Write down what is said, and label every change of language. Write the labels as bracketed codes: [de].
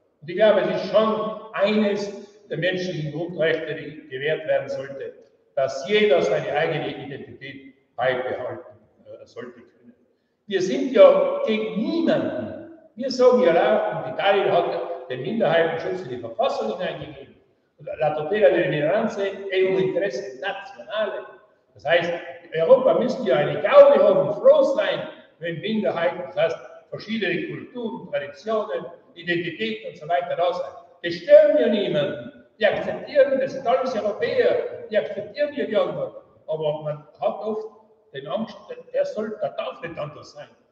[de] Und ich glaube, es ist schon eines der menschlichen Grundrechte, die gewährt werden sollte, dass jeder seine eigene Identität beibehalten sollte können. Wir sind ja gegen niemanden. Wir sagen ja auch, und Italien hat den Minderheitenschutz in die Verfassung hineingegeben. [it] La tutela delle minoranze è un interesse nazionale. [de] Das heißt, Europa müsste ja eine Gaudi haben, froh sein, wenn Minderheiten, das heißt, verschiedene Kulturen, Traditionen, Identitäten und so weiter da sind. Das stören ja niemanden. Die akzeptieren, das sind alles Europäer, die akzeptieren ja die anderen. Aber man hat oft den Angst, der darf nicht anders sein.